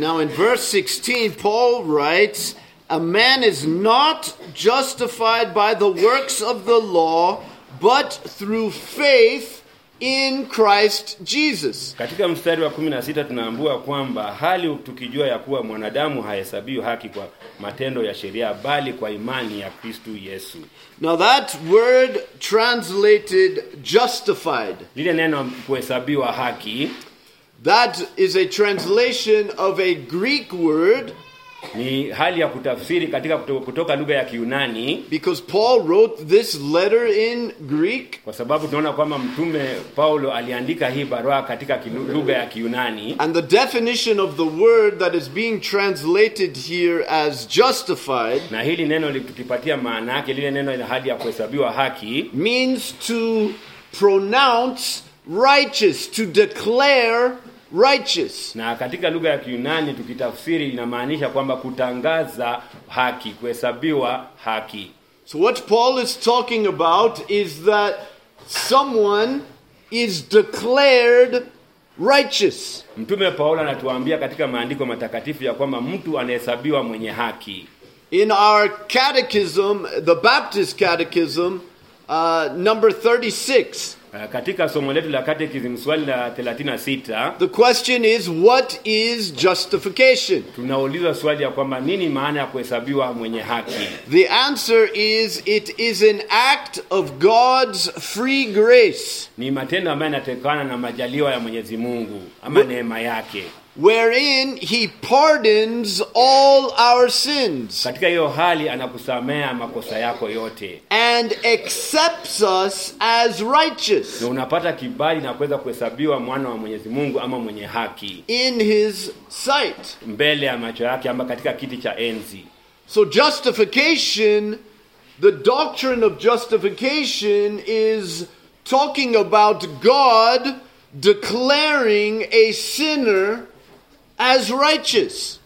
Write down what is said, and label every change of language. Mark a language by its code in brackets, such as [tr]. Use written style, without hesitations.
[en] Now in verse 16, Paul writes, a man is not justified by the works of the law, but through faith in Christ Jesus. [sw] Katika mstari wa 16 tunaambua kwamba hali tukijua ya kuwa mwanadamu hahesabiwi haki kwa matendo ya sheria bali kwa imani ya Kristo Yesu. [en] Now that word translated justified. [sw] Lile neno kuhesabiwa haki. [en] That is a translation of a Greek word. [sw] Ni hali ya kutafsiri katika kutoka lugha ya Kiyunani. [en] Because Paul wrote this letter in Greek. [sw] Kwa sababu tunaona kwamba mtume Paulo aliandika hii barua katika lugha ya Kiyunani. [en] And the definition of the word that is being translated here as justified. [sw] Na hili neno likutipatia maana yake, lile neno ina hali ya kuhesabiwa haki. [en] Means to pronounce righteous, to declare righteous. [sw] Na katika lugha ya Kiyunani tukitafsiri inamaanisha kwamba kutangaza haki, kuhesabiwa haki. [en] So what Paul is talking about is that someone is declared righteous. [sw] Mtume Paulo anatuambia katika maandiko matakatifu ya kwamba mtu anahesabiwa mwenye haki. [en] In our catechism, the Baptist catechism, number 36. [sw] Katika somo letu la catechism swali la 36. [en] The question is, what is justification? [sw] Tunauliza swali ya kwamba nini maana ya kuhesabiwa mwenye haki? [en] The answer is, it is an act of God's free grace. [sw] Ni matendo ambayo yanatokana na majaliwa ya Mwenyezi Mungu ama neema yake. [en] Wherein he pardons all our sins. [sw] Katika hiyo hali anakusamea makosa yako yote. [en] And accepts us as righteous. [sw] Na unapata kibali na kuweza kuhesabiwa mwana wa Mwenyezi Mungu ama mwenye haki. [en] In his sight. [sw] Mbele ya macho yake ama katika kiti cha enzi. [en] So justification, the doctrine of justification is talking about God declaring a sinner as righteous.